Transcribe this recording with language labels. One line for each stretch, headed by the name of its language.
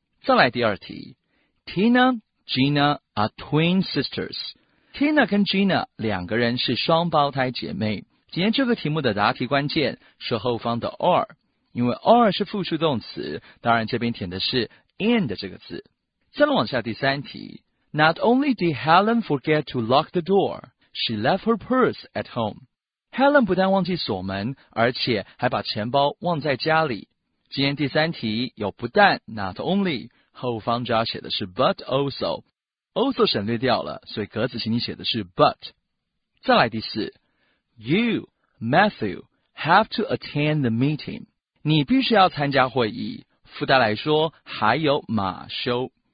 Chinese: 再来第二题，
English: Tina Gina are twin sisters。
Chinese: Tina 跟 Gina 两个人是双胞胎姐妹。今天这个题目的答题关键是后方的 or， 因为 or 是复数动词，当然这边填的是 and 这个字。再往下第三题，
English: Not only did Helen forget to lock the door, she left her purse at home.
Chinese: Helen 不但忘记锁门，而且还把钱包忘在家里。今天第三题有不但 not only， 后方就要写的是 but also， also 省略掉了，所以格子请你写的是 but。再来第四，
English: You, Matthew, have to attend the meeting.
Chinese: 你必须要参加会议，附带来说还有马修。